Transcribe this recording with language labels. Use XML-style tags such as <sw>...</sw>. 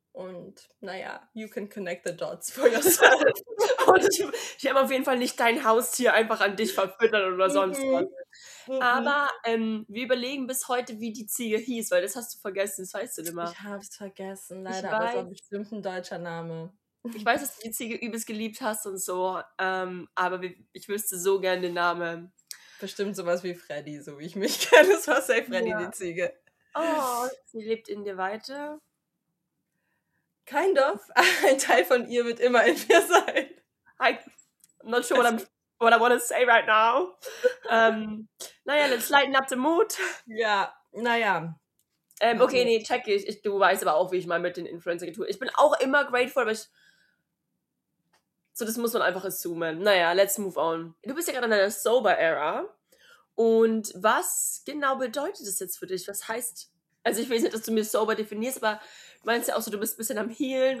<de>Und naja,</de> <en>you can connect the dots for yourself.</en> <de>Ich habe auf jeden Fall nicht dein Haustier einfach an dich verfüttert oder sonst was. Aber wir überlegen bis heute, wie die Ziege hieß, weil das hast du vergessen, das weißt du immer. Ich habe es vergessen, leider, aber es war bestimmt ein deutscher Name. Ich weiß, dass du die Ziege übelst geliebt hast und so, aber ich wüsste so gerne den Namen. Bestimmt sowas wie Freddy, so wie ich mich kenne, es war safe Freddy, ja. Die Ziege. Oh, sie lebt in dir weiter.</de> <en>Kind of.</en> <de>Ein Teil von ihr wird immer in mir sein.</de> <en>I'm not sure what I want to say right now. Let's lighten up the mood.</en> <de>Ja, naja. Okay, nee, check ich. Du weißt aber auch, wie ich mal mit den Influencer tue. Ich bin auch immer grateful, aber ich. So, das muss man einfach assumen. Naja,</de> <en>let's move on.</en> <de>Du bist ja gerade in einer Sober-Era. Und was genau bedeutet das jetzt für dich? Was heißt, also ich weiß nicht, dass du mir sober definierst, aber meinst du ja auch so, du bist ein bisschen am Healen.</de>